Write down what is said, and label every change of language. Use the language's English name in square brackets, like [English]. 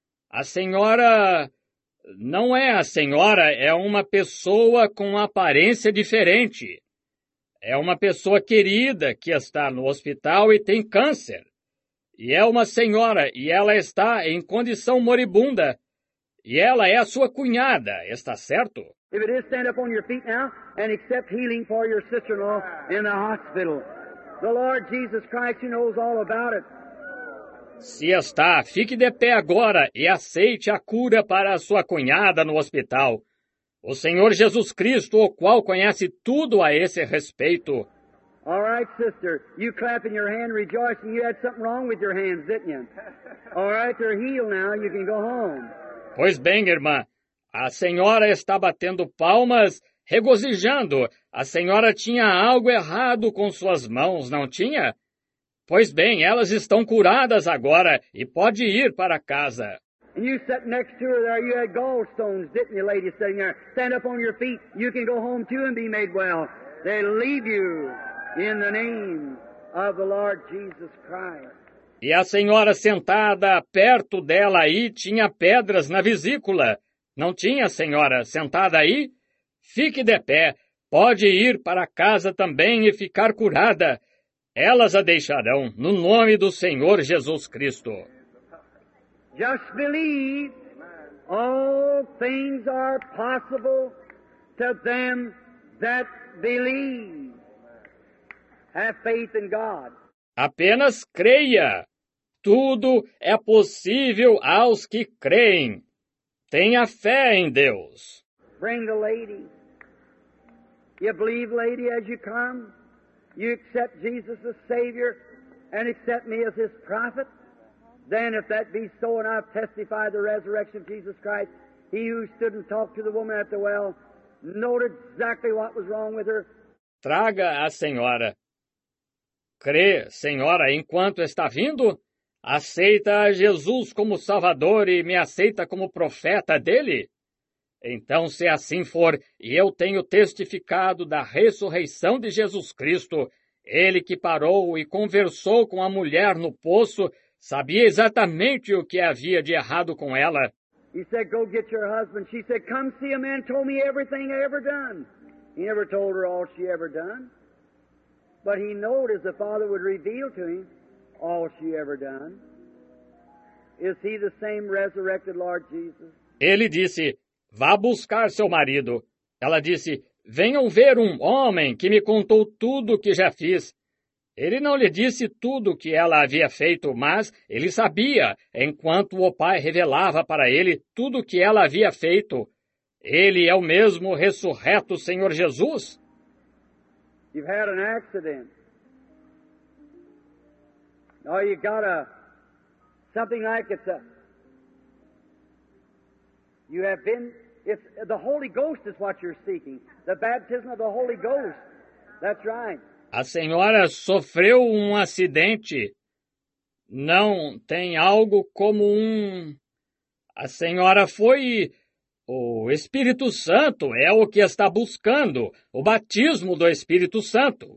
[Portuguese] A senhora não é a senhora, é uma pessoa com aparência diferente. É uma pessoa querida que está no hospital e tem câncer. E é uma senhora e ela está em condição moribunda. E ela é a sua cunhada, está certo? [English] If it is, stand up on your feet now and accept healing for your sister-in-law in the hospital. The Lord Jesus Christ, he knows all about it. [Portuguese] Se está, fique de pé agora e aceite a cura para a sua cunhada no hospital. O Senhor Jesus Cristo, o qual conhece tudo a esse respeito. [English] All right, sister, you clapping your hand, rejoicing, you had something wrong with your hands, didn't you? All right, they're healed now, you can go home. [Portuguese] Pois bem, irmã, a senhora está batendo palmas, regozijando. A senhora tinha algo errado com suas mãos, não tinha? Pois bem, elas estão curadas agora e pode ir para casa. [English] And you sat next to her there, you had gallstones, didn't you, lady sitting there? Stand up on your feet, you can go home too and be made well. They leave you in the name of the Lord Jesus Christ. [Portuguese] E a senhora sentada perto dela aí tinha pedras na vesícula. Não tinha, senhora, sentada aí? Fique de pé. Pode ir para casa também e ficar curada. Elas a deixarão no nome do Senhor Jesus Cristo. [English] Just believe all things are possible to them that believe. Have faith in God. [Portuguese] Apenas creia. Tudo é possível aos que creem. Tenha fé em Deus. [English] Bring the lady. You believe, lady, as you come? You accept Jesus as Savior and accept me as His prophet? Then, if that be so, and I've testified the resurrection of Jesus Christ, He who stood and talked to the woman at the well knew exactly what was wrong with her. [Portuguese] Traga a senhora. Crê, senhora, enquanto está vindo? Aceita a Jesus como Salvador e me aceita como profeta dele? Então, se assim for, e eu tenho testificado da ressurreição de Jesus Cristo, ele que parou e conversou com a mulher no poço, sabia exatamente o que havia de errado com ela. [English] He said, go get your husband. She said, come see a man told me everything I ever done. He never told her all she ever done. But he knew as the Father would reveal to him all she ever done. Is he the same resurrected Lord Jesus? [Portuguese] Ele disse, vá buscar seu marido. Ela disse, venham ver um homem que me contou tudo o que já fiz. Ele não lhe disse tudo o que ela havia feito, mas ele sabia, enquanto o Pai revelava para ele tudo o que ela havia feito. Ele é o mesmo ressurreto Senhor Jesus? [English] You've had an accident. Or you got a something like it's a you have been it's the Holy Ghost is what you're seeking. The baptism of the Holy Ghost. That's right. [Portuguese] A senhora sofreu um acidente. Não tem algo como um. A senhora foi. O Espírito Santo é o que está buscando. O batismo do Espírito Santo.